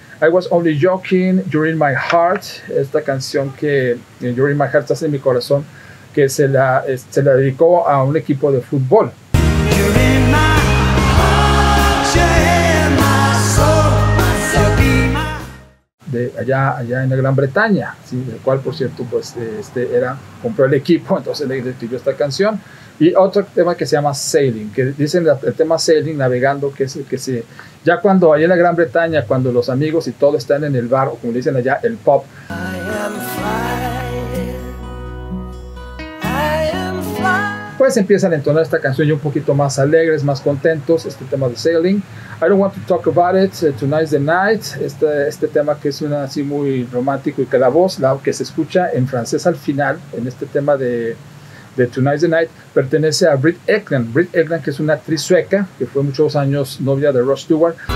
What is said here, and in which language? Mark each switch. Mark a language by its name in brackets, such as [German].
[English] I Was Only Joking, You're In My Heart. [Spanish] Esta canción que, You're In My Heart, Estás En Mi Corazón, que se la dedicó a un equipo de fútbol. [English] You're in my heart, you're in my soul, so be my... [Spanish] De allá en la Gran Bretaña, ¿sí? Del cual, por cierto, pues compró el equipo, entonces le escribió esta canción. Y otro tema que se llama Sailing, que dicen el tema Sailing, navegando, que es el que se... Ya cuando allá en la Gran Bretaña, cuando los amigos y todo están en el bar, o como dicen allá, el pub. Pues empiezan a entonar esta canción ya un poquito más alegres, más contentos, este tema de Sailing. [English] I Don't Want to Talk About It, Tonight's the Night. [Spanish] Este tema que es una así muy romántico, y que la voz, la que se escucha en francés al final, en este tema de Tonight's the Night, pertenece a Britt Ekland. Britt Ekland, que es una actriz sueca, que fue muchos años novia de Rod Stewart.